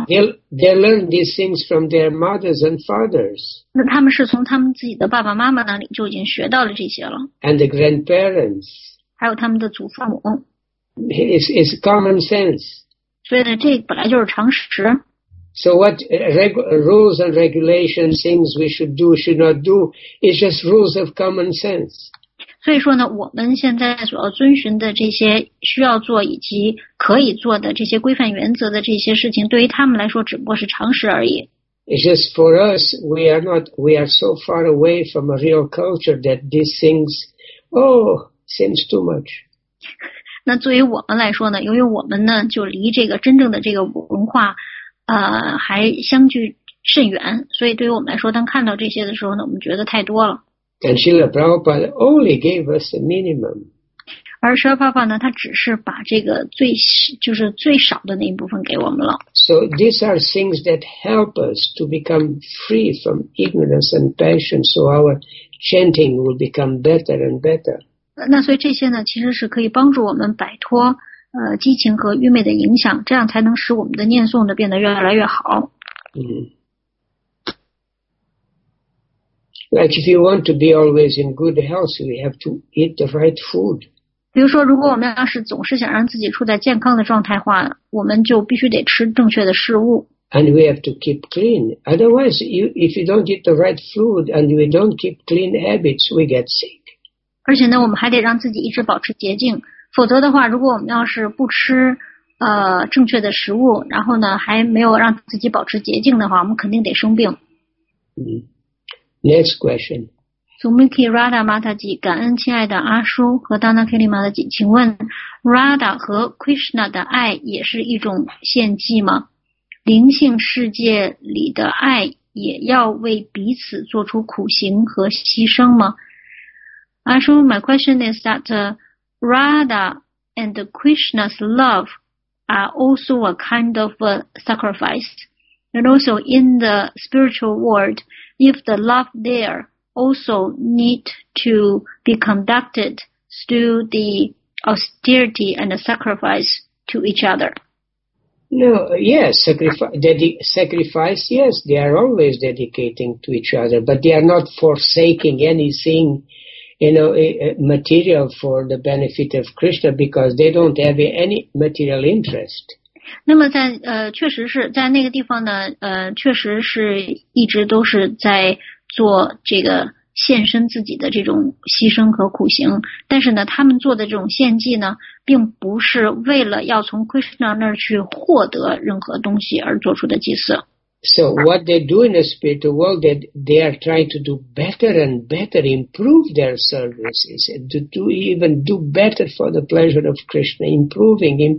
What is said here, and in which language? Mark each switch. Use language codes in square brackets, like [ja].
[en] They learn these things from their mothers and fathers. [zh] 那他们是从他们自己的爸爸妈妈那里就已经学到了这些了。 [en] And the grandparents. [zh] 还有他们的祖父母。 [en] It's common sense. [zh] 所以呢，这本来就是常识。 [en] So what rules and regulations, things we should do, should not do, is just rules of common sense. [zh] 所以说呢，我们现在所要遵循的这些需要做以及可以做的这些规范原则的这些事情，对于他们来说只不过是常识而已。 [en] It's just for us, we are so far away from a real culture that these things, seems too much. [zh] 那对于我们来说呢，由于我们呢就离这个真正的这个文化，还相距甚远，所以对于我们来说，当看到这些的时候呢，我们觉得太多了。 [en] And Srila Prabhupada only gave us a minimum. [zh] 而 Srila Prabhupada 呢，他只是把这个最就是最少的那一部分给我们了。 [en] So these are things that help us to become free from ignorance and passion, so our chanting will become better and better. [zh] 那所以这些呢，其实是可以帮助我们摆脱激情和愚昧的影响，这样才能使我们的念诵的变得越来越好。嗯。 [en] Like if you want to be always in good health, we have to eat the right food. [zh] 比如说，如果我们要是总是想让自己处在健康的状态的话，我们就必须得吃正确的食物。 [en] And we have to keep clean. Otherwise, if you don't eat the right food and we don't keep clean habits, we get sick. [zh] 而且呢，我们还得让自己一直保持洁净。否则的话，如果我们要是不吃正确的食物，然后呢还没有让自己保持洁净的话，我们肯定得生病。 [en] Next question. [zh] Sumiki Radha Mataji, 感恩亲爱的阿叔和 Dana Kelly Mataji, 请问 Radha 和 Krishna 的爱也是一种献祭吗？灵性世界里的爱也要为彼此做出苦行和牺牲吗？ [en] 阿叔， my question is that Radha and Krishna's love are also a kind of a sacrifice. And also in the spiritual world,If the love there also need to be conducted through the austerity and the sacrifice to each other. No, yes, sacrifice, yes, they are always dedicating to each other, but they are not forsaking anything, you know, material for the benefit of Krishna because they don't have any material interest. [zh] 那么在确实是在那个地方呢确实是一直都是在做这个献身自己的这种牺牲和苦行，但是呢他们做的这种献祭呢并不是为了要从 Krishna 那儿去获得任何东西而做出的祭祀。 [en] So what they do in the spiritual world, that they are trying to do better and better, improve their services, and to do even do better for the pleasure of Krishna, improving.